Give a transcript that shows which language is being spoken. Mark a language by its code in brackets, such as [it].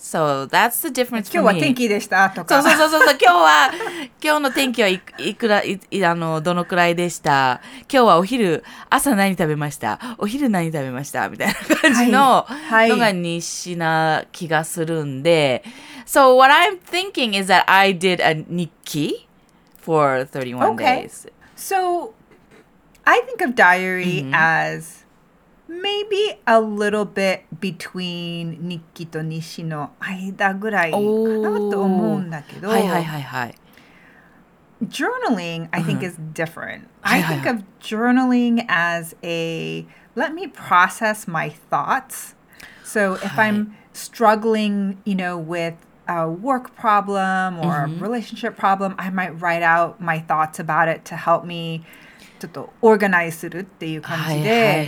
[en] So that's the difference for me. [ja] 今日は天気でしたとか。そう。今日は今日の天気はどのくらいでした。今日はお昼朝何食べました。お昼何食べましたみたいな感じの、はいはい、のが日誌な気がするんで。 [en] So what I'm thinking is that I did a 日記 for 31 days. So I think of diary、mm-hmm. as... Maybe a little bit between [ja] 日記と日誌の間ぐらいかなと思うんだけど、はいはいはいはい、 [en] Journaling, I think, is different. I think of journaling as a let me process my thoughts. So if I'm struggling, you know, with a work problem or a relationship problem, I might write out my thoughts about it to help me. [ja] ちょっとオーガナイズするっていう感じで、